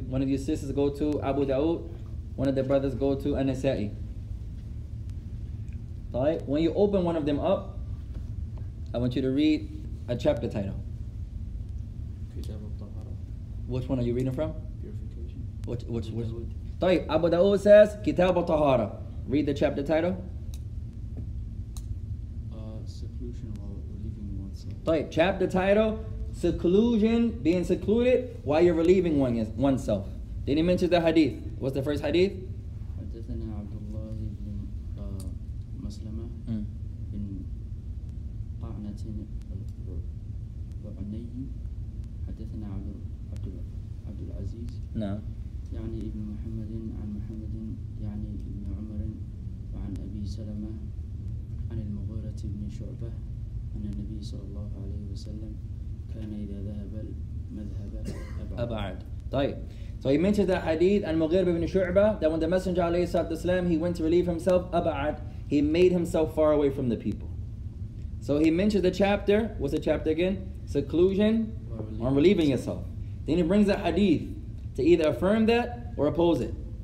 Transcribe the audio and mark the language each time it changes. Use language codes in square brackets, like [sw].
[en] One of your sisters go to Abu Dawud, one of the brothers go to An-Nasa'i. Ta'ib, when you open one of them up, I want you to read a chapter title. [ar] Kitab al-Tahara. [en] Which one are you reading from? [ar] طيب أبو داود [en] says [ar] كتاب الطهارة. [en] Read the chapter title. Seclusion while relieving oneself. طيب chapter title seclusion, being secluded while you're relieving oneself. Then he mentions the hadith. What's the first hadith? [ar] حدثنا عبد الله بن مسلمة بن طعنة الربعني حدثنا عبد العزيز. نعم. يعني ابن محمد عن محمد يعني ابن عمر وعن أبي سلمة عن المغيرة بن شعبة أن النبي صلى الله عليه وسلم كان إذا ذهب المذهب أبعد. طيب. [en] So he mentioned that hadith and Mughir ibn Shu'bah, that when the Messenger [ar] عليه الصلاة والسلام, [en] he went to relieve himself أبعد, he made himself far away from the people. So he mentions the chapter, what's the chapter again? Seclusion on relieving yourself. Then he brings the hadith to either affirm that or oppose it.